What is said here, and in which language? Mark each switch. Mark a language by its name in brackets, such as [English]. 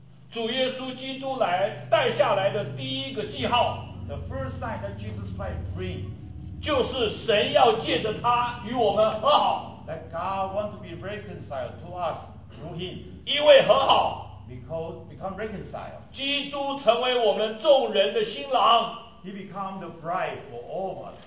[Chinese] 主耶稣基督来带下来的第一个记号 [English] ，the first sign that Jesus Christ bring， [Chinese] 就是神要借着他与我们和好 [English] ，that God want to be reconciled to us through him， [Chinese] 因为和好 [English] ，become reconciled， [Chinese] 基督成为我们众人的新郎 [English] ，he become the bride for all of us，